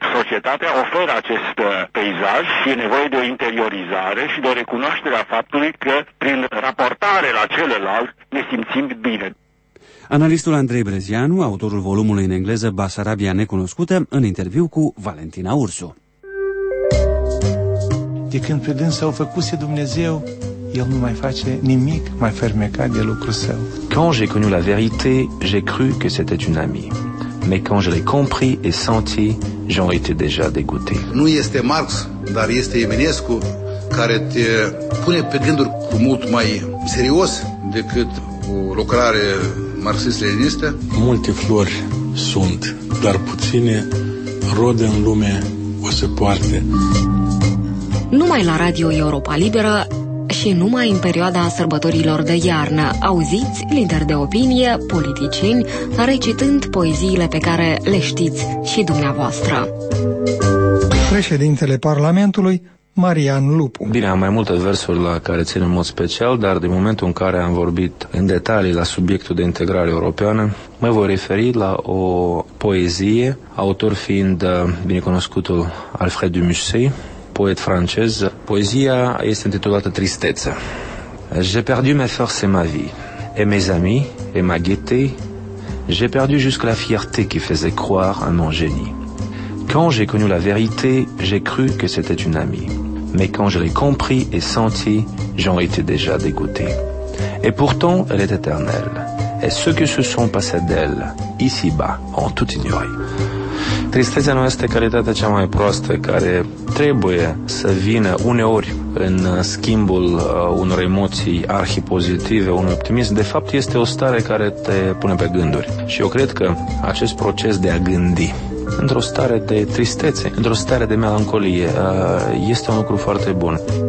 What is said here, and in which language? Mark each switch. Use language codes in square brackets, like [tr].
[ro] Societatea oferă acest peisaj și e nevoie de o interiorizare și de o recunoaștere a faptului că, prin raportare la celălalt, ne simțim bine. Analistul Andrei Brezianu, autorul volumului în engleză Basarabia Necunoscută, în interviu cu Valentina Ursu. De când pe dânsul făcuse Dumnezeu, el nu mai face nimic mai fermecat de lucrul său. [fr] Quand j'ai connu la vérité, j'ai cru que c'était une amie. Mais quand je l'ai compris et senti, j'en étais déjà dégoûté. [ro] Nu este Marx, dar este Eminescu, care te pune pe gânduri cu mult mai serios decât o lucrare marxist-leninistă. Multe flori sunt, dar puține rode în lume o să poarte. Numai la Radio Europa Liberă și numai în perioada sărbătorilor de iarnă auziți lideri de opinie, politicieni, recitând poeziile pe care le știți și dumneavoastră. Președintele Parlamentului Marian Lupu. Bine, am mai multe versuri la care țin în mod special, dar din momentul în care am vorbit în detalii la subiectul de integrare europeană, mă voi referi la o poezie, autor fiind binecunoscutul Alfred de Musset, poet francez. Poezia este intitulată Tristețe. [fr] J'ai perdu mes forces et ma vie, et mes amis, et ma gaieté. J'ai perdu jusqu'à la fierté qui faisait croire à mon génie. Quand j'ai connu la vérité, j'ai cru que c'était une amie. Mais quand je l'ai compris et senti, j'en étais déjà dégoûté. Et pourtant, elle est éternelle. Et ceux qui se sont passés d'elle, ici-bas, ont tout ignoré. [ro] Tristețea nu este calitatea cea mai proastă care trebuie să vină uneori în schimbul unor emoții arhipozitive, unui optimism. De fapt, este o stare care te pune pe gânduri. Și eu cred că acest proces de a gândi într-o stare de tristețe, într-o stare de melancolie, este un lucru foarte bun.